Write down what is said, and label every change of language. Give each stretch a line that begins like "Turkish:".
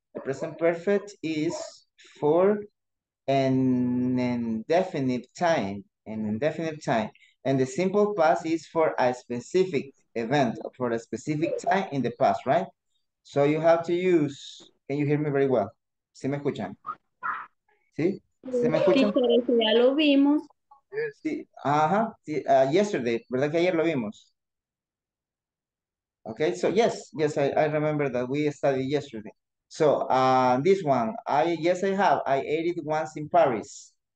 English: The present perfect is for an indefinite time. An indefinite time. And the simple past is for a specific event, for a specific time in the past, right? So you have to use, can you hear me very well?
Spanish: ¿Sí me escuchan? ¿Sí? ¿Sí me escuchan? Sí, ya lo vimos. Sí, ajá, sí, yesterday, ¿verdad que ayer lo vimos?
English: Okay, so yes, yes, I remember that we studied yesterday. So this one, I ate it once in Paris.